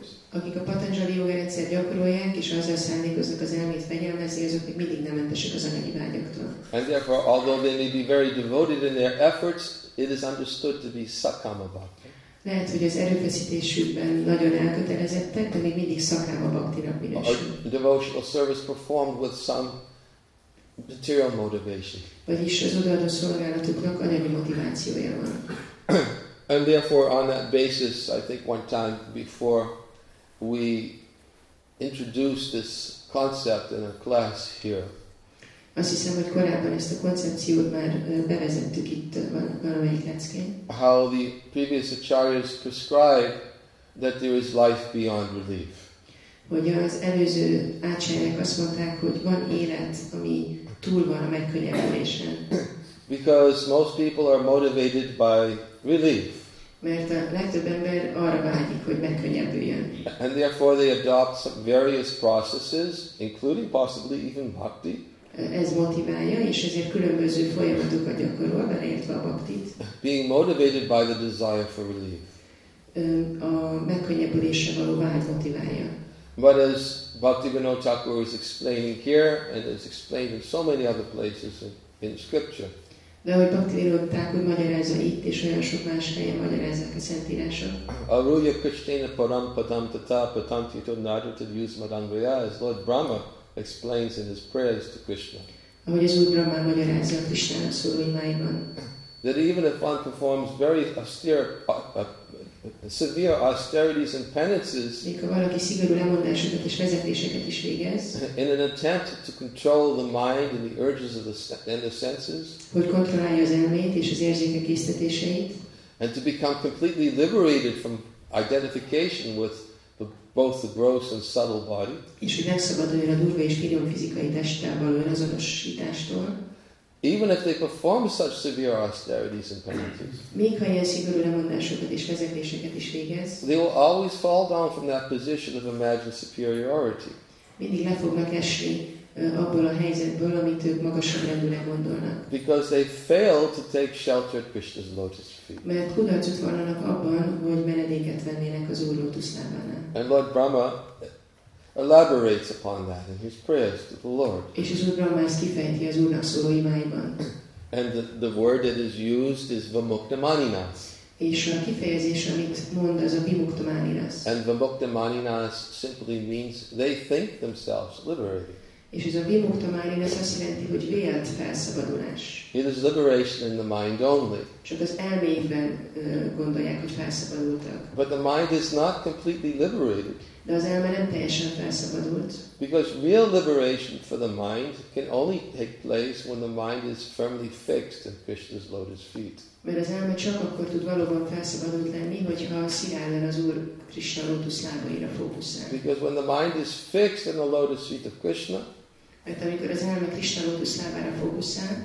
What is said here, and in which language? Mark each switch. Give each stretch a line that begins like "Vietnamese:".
Hungarian: Akik a Patanjali yoga rendszer gyakorolják, és azzal szándékoznak az elmét fegyelmezni, azok még mindig nem mentesek az anyagi vágyaktól.
English: And therefore, although they may be very devoted in their efforts, it is understood to be sakkama bhakti.
Hungarian: Lehet, hogy az erőfeszítésükben nagyon elkötelezettek, de még mindig szakáma baktinak minősül.
English: A devotional service performed with some material motivation.
Hungarian: Vagyis az odaadó szolgálatuknak anyagi motivációja van.
English: And therefore, on that basis, I think one time before we introduced this concept in a class here.
Hungarian: Azt hiszem, hogy korábban ezt a koncepciót már bevezettük itt valamelyik leckén.
English: How the previous acharyas prescribe that there is life beyond relief.
Hungarian: Hogy az előző acharyák azt mondták, hogy van élet, ami túl van a megkönnyebbülésen.
English: Because most people are motivated by relief.
Hungarian: Mert a legtöbb ember arra vágyik, hogy megkönnyebbüljön.
English: And therefore they adopt some various processes, including possibly even bhakti.
Hungarian: Ez motiválja, és ezért különböző folyamatokat gyakorol, beleértve a baktit.
English: Being motivated by the desire for relief.
Hungarian: A megkönnyebbülésre való vágy motiválja.
English: But as Bhaktivinoda Thakur is explaining here, and is explained in so many other places in scripture.
Hungarian: De ahogy Bhaktivinoda Thakur magyarázza itt, és olyan sok más helyen magyarázzák a szentírások.
Sanskrit: Aruya Krishtena Param Padam Tata Patantito Narita Yusmadanvaya
English: is Lord Brahma. Explains in his prayers to Krishna.
Hungarian: Ahogy az Úr Brahmán magyarázza a Krishna szólóimáiban.
English: That even if one performs very austere, severe austerities and penances,
Hungarian: még ha valaki szigorú lemondásokat és vezetéseket is végez,
English: in an attempt to control the mind and the urges of the and the senses,
Hungarian: hogy kontrollálja az elmét és az érzékek késztetéseit,
English: and to become completely liberated from identification with both the gross and subtle body.
Hungarian: És hogy megszabaduljon a durva és finom fizikai testtel való önazonosítástól.
English: Even if they perform such severe austerities and penances.
Hungarian: Még ha ilyen szigorú lemondásokat és vezetéseket is végez.
English: They will always fall down from that position of imagined superiority.
Hungarian: Mindig le fognak esni abból a helyzetből, amit ők magasrendűnek gondolnak.
English: Because they fail to take shelter at Krishna's lotus feet.
Hungarian: Mert kudarcot vallanak abban, hogy menedéket vennének az Úr lótusz lábánál.
English: And Lord Brahma elaborates upon that in his prayers to the Lord.
Hungarian: És az Úr Brahma ezt kifejti az Úrnak szóló imáiban.
English: And the word that is used is vamuktamaninas.
Hungarian: És a kifejezés, amit mond, az a vimuktamaninas.
English: And vimuktamaninas simply means they think themselves liberated.
Hungarian: És ez a vimuktamaninas azt jelenti, hogy vélt felszabadulás.
English: It is liberation in the mind only.
Hungarian: Csak az elmében gondolják, hogy felszabadultak.
English: But the mind is not completely liberated.
Hungarian: De az elme nem teljesen felszabadult.
English: Because real liberation for the mind can only take place when the mind is firmly fixed in Krishna's lotus feet.
Hungarian: Mert az elme csak akkor tud valóban felszabadult lenni, hogyha szilárdan az Úr Krishna lótusz lábaira fókuszál.
English: Because when the mind is fixed in the lotus feet of Krishna,
Hungarian: mert amikor az elme Krishna lótusz lábára fókuszál,